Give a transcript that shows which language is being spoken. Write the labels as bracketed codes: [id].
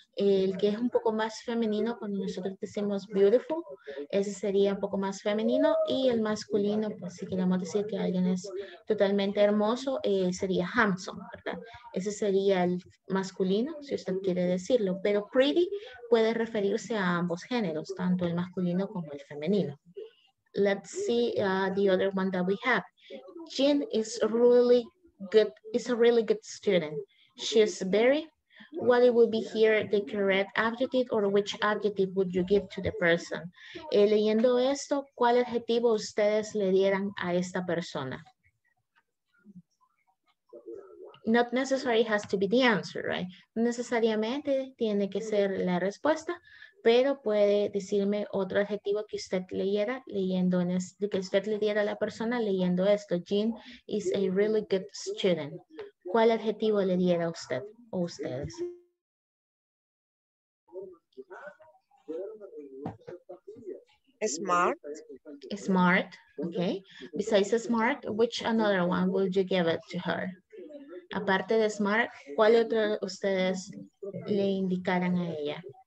[es] El que es un poco más femenino, cuando nosotros decimos beautiful, ese sería un poco más femenino. Y el masculino, pues si queremos decir que alguien es totalmente hermoso, sería handsome, ¿verdad? Ese sería el masculino, si usted quiere decirlo. Pero pretty puede referirse a ambos géneros, tanto el masculino como el femenino. [en] Let's see the other one that we have. Jean is really good, is a really good student. She's very... What it would be here, the correct adjective or which adjective would you give to the person? [es] Leyendo esto, ¿cuál adjetivo ustedes le dieran a esta persona? [en] Not necessarily has to be the answer, right? [es] No necesariamente tiene que ser la respuesta, pero puede decirme otro adjetivo que usted leyera, leyendo en este, que usted le diera a la persona leyendo esto. [en] Jean is a really good student. [es] ¿Cuál adjetivo le diera a usted? O ustedes. [en] Smart. Smart, okay. Besides smart, which another one would you give it to her? [es] Aparte de smart, ¿cuál otro ustedes le indicarán a ella?